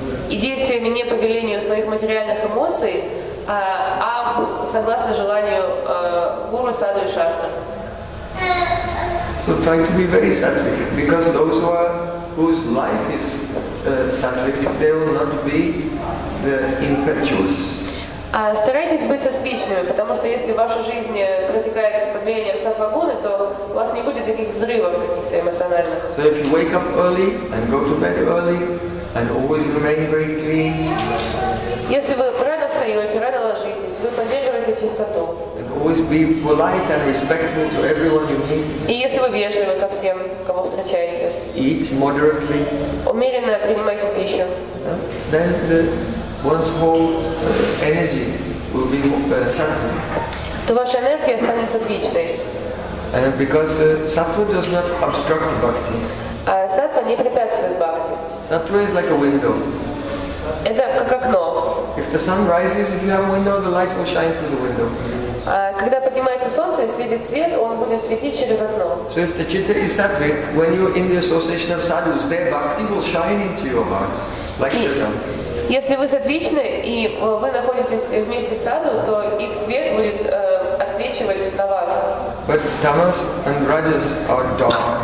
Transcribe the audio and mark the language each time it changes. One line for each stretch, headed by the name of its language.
Russian: И действиями не по велению своих материальных эмоций, а согласно желанию гуру, саду и шастры.
English: So try to be very sattvic, because those who are, whose life is sattvic, they will not be the impetuous.
Russian: Старайтесь быть сосвечными, потому что если ваша жизнь протекает под влиянием сатвагуны, то у вас не будет таких взрывов каких-то эмоциональных.
English: So if you wake up early and go to bed early and always remain very clean.
Russian: Если вы рано встаете, рано ложитесь, вы поддерживаете чистоту.
English: And always be polite and respectful to everyone you meet.
Russian: И если вы вежливы ко всем, кого встречаете.
English: Eat moderately.
Russian: Умеренно принимайте пищу.
English: Then the once more energy will be sattva.
Russian: То ваша энергия станет сатвичной.
English: And because sattva does not obstruct bhakti.
Russian: Сатва не препятствует бхакти.
English: Sattva is like a window.
Russian: Это как окно.
English: If the sun rises, if you have a window, the light will shine through the window.
Russian: Когда поднимается солнце и светит свет, он будет светить через окно.
English: So if the chitta is sattvic, when you're in the association of sadhus, their bhakti will shine into your heart, like the sun.
Russian: Если вы сатвичны и вы находитесь вместе с саду, то их свет будет отсвечивать на вас.
English: But tamas and rajas are dark.